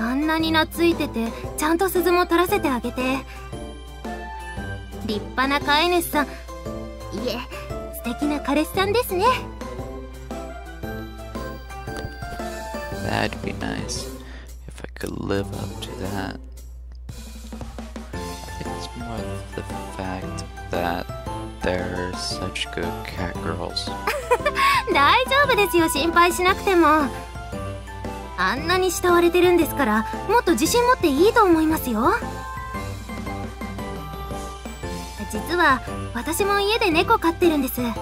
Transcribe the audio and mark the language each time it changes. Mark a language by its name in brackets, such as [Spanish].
[Japanese] あんなに懐いてて、ちゃんと鈴も取らせてあげて。立派な飼い主さん。いえ、素敵な彼氏さんですね。 [English] That'd be nice if I could live up to that. It's more the fact that they're such good cat girls. [Japanese] 大丈夫ですよ、心配しなくても。あんなに慕われてるんですから、もっと自信持っていいと思いますよ。実は私も家で猫飼ってるんです。